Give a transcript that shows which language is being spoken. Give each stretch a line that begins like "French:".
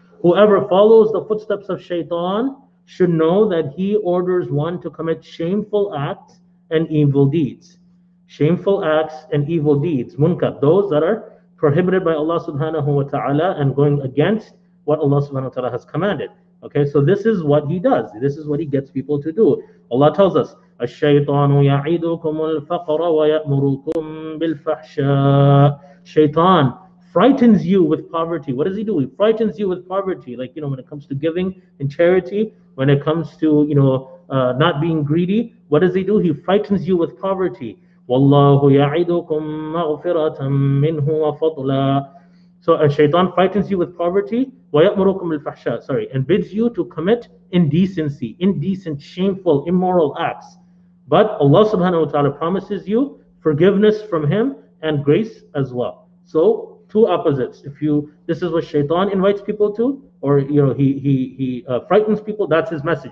English: Whoever follows the footsteps of shaitan should know that he orders one to commit shameful acts and evil deeds. Shameful acts and evil deeds. Munkar, those that are prohibited by Allah subhanahu wa ta'ala and going against what Allah subhanahu wa ta'ala has commanded. Okay, so this is what he does. This is what he gets people to do. Allah tells us,
Arabic: الشيطان يعيدكم الفقر ويأمركم بالفحشاء.
English: Shaitan frightens you with poverty. What does he do? He frightens you with poverty. Like, you know, when it comes to giving and charity, when it comes to, you know, not being greedy, what does he do? He frightens you with poverty.
Arabic: والله يعيدكم مغفرة منه وفضلا.
English: So Shaitan frightens you with poverty.
Arabic: ويأمركم بالفحشاء.
English: Sorry, and bids you to commit indecency, indecent, shameful, immoral acts. But Allah subhanahu wa ta'ala promises you forgiveness from him and grace as well. So two opposites. If you, this is what shaitan invites people to, or you know, he frightens people, that's his message.